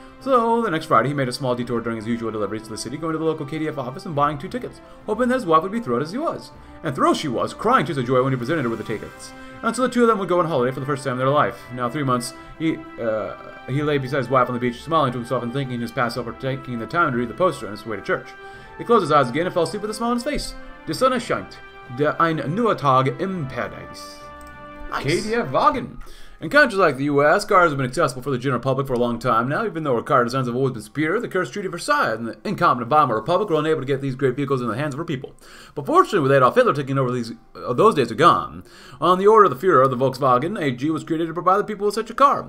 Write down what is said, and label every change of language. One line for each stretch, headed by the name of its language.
English: So, the next Friday, he made a small detour during his usual deliveries to the city, going to the local KDF office and buying 2 tickets, hoping that his wife would be thrilled as he was. And thrilled she was, crying tears of joy when he presented her with the tickets. And so the two of them would go on holiday for the first time in their life. Now, 3 months, he lay beside his wife on the beach, smiling to himself and thanking his pastor for taking the time to read the poster on his way to church. He closed his eyes again and fell asleep with a smile on his face.
German: Die Sonne scheint, der ein neuer Tag im Paradies.
English: Nice. KDF Wagen. In countries like the U.S., cars have been accessible for the general public for a long time now. Even though our car designs have always been superior, the cursed Treaty of Versailles and the incompetent Weimar Republic were unable to get these great vehicles in the hands of our people. But fortunately, with Adolf Hitler taking over, those days are gone. On the order of the Führer, the Volkswagen AG was created to provide the people with such a car.